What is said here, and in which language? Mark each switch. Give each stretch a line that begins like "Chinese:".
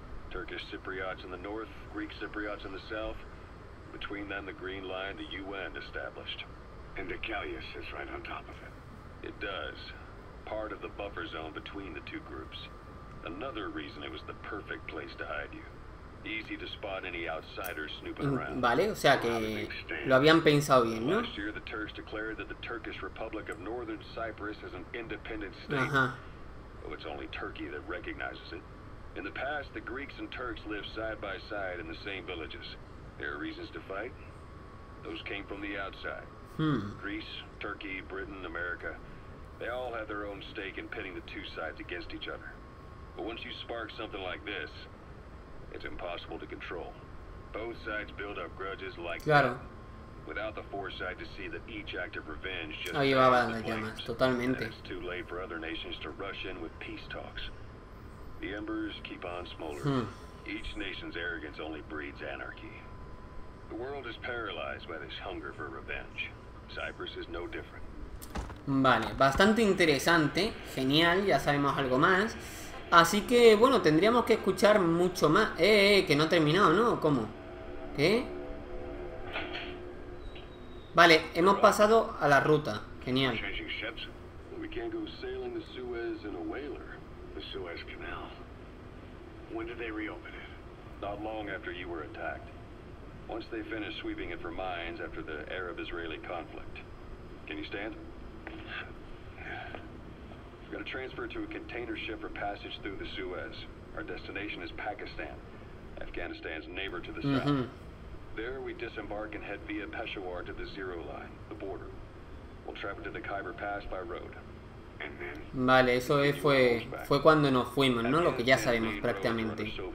English: Turkish Cypriots in the north, Greek Cypriots in the south. Between them, the Green Line, the UN established. And Dekelia sits right on top of it. It does. Part of the buffer zone between the two groups. Another reason it was the perfect place to hide you. Easy to spot any outsiders snooping around.
Spanish: Vale, o sea que lo habían pensado bien, ¿no?
English: Last year, the Turks declared that the Turkish Republic of Northern Cyprus is an independent state. Uh-huh. It's only Turkey that recognizes it. In the past, the Greeks and Turks lived side by side in the same villages. There are reasons to fight. Those came from the outside. Greece, Turkey, Britain, America. They all have their own stake in pitting the two sides against each other. But once you spark something like this, it's impossible to control. Both sides build up grudges like
Spanish: claro.
English: Without the foresight to see that each act of revenge just
Spanish: oh, llevaba las llamas, totalmente.
English: It's too late for other nations to rush in with peace talks. The embers keep on smoldering. Each nation's arrogance only breeds anarchy. The world is paralyzed by this hunger for revenge. Cyprus is no different.
Spanish: Vale, bastante interesante, genial, ya sabemos algo más. Así que, bueno, tendríamos que escuchar mucho más. Que no ha terminado, ¿no? ¿Cómo? ¿Qué? Vale, hemos pasado a la ruta, genial. ¿Cuándo se reabrió?
English: not long after you were attacked. Once they finished sweeping it for mines after the Arab-Israeli conflict. Can you stand? We've got to transfer to a container ship for passage through the Suez. Our destination is Pakistan, Afghanistan's neighbor to the south. There we disembark and head via Peshawar to the zero line, the border. We'll travel to the Khyber Pass by road.
Spanish: Vale, eso fue cuando nos fuimos, ¿no? Lo que ya sabemos prácticamente.